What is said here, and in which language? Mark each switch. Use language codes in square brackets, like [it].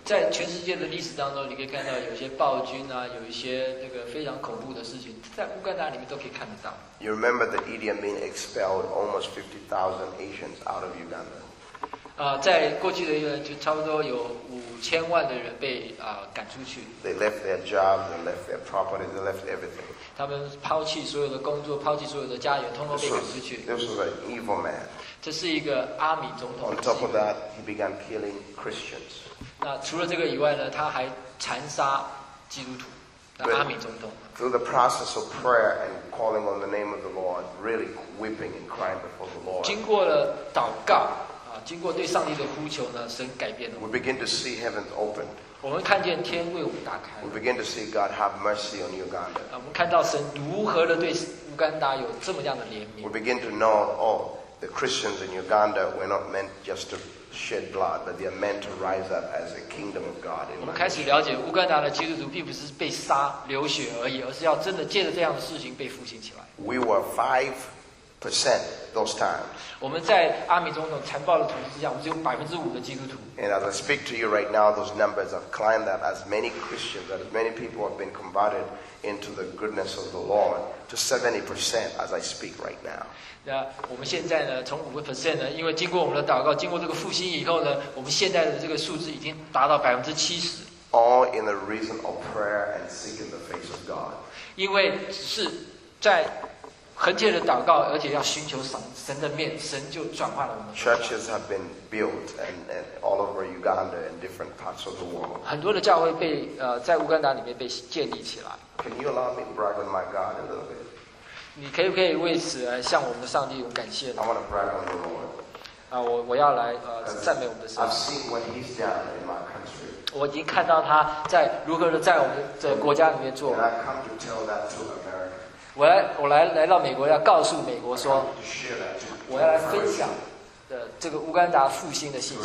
[zh] 在全世界的历史当中，你可以看到有些暴君啊，有一些那个非常恐怖的事情，在乌干达里面都可以看得到。 [en] You remember that Idi Amin expelled almost 50,000 Asians out of Uganda. [zh] 在过去的一年，就差不多有5000万的人被赶出去。 [en] They left their jobs, they left their property, they left everything. [zh] 他们抛弃所有的工作，抛弃所有的家园，通通被赶出去。 [en] This was an evil man. [zh] 这是一个阿米总统。 [en] On top of that, he began killing Christians. [zh] 那除了这个以外呢，他还残杀基督徒。阿米总统。 [en] Through the process of prayer and calling on the name of the Lord, really weeping and crying before the Lord. [zh] 经过了祷告。经过对上帝的呼求呢，神改变了。 [en] We begin to see heavens open. [zh] 我们看见天为我们打开。 [en] We begin to see God have mercy on Uganda. [zh] 我们看到神如何的对乌干达有这么样的怜悯。 [en] We begin to know, oh, the Christians in Uganda were not meant just to shed blood, but they are meant to rise up as a kingdom of God. [zh] 我们开始了解乌干达的基督徒并不是被杀流血而已，而是要真的借着这样的事情被复兴起来。 [en] We were 5% those times. [zh] 我们在阿米总统残暴的统治之下，我们只有5%的基督徒。 [en] And as I speak to you right now, those numbers have climbed up as many Christians, as many people have been converted into the goodness of the Lord to 70% as I speak right now. [zh] 那我们现在呢，从5%呢，因为经过我们的祷告，经过这个复兴以后呢，我们现在的这个数字已经达到70%。 [en] All in the reason of prayer and seeking the face of God. [zh] 因为只是在恒切的祷告，而且要寻求神的面，神就转化了我们。 [en] Churches have been built and all over Uganda and different parts of the world. [zh] 很多的教会被在乌干达里面被建立起来。 [en] Can you allow me to brag on my God a little bit? [zh] 你可以不可以为此向我们的上帝有感谢呢 [en] ？I want to brag on the Lord. [zh] 我要来赞美我们的上帝。 [en] I've seen what He's done in my country. [zh] 我已经看到他在如何的在我们的国家里面做。 [en] And I come to tell that to America. [zh] 我来到美国，要告诉美国说，我要来分享的这个乌干达复兴的信息。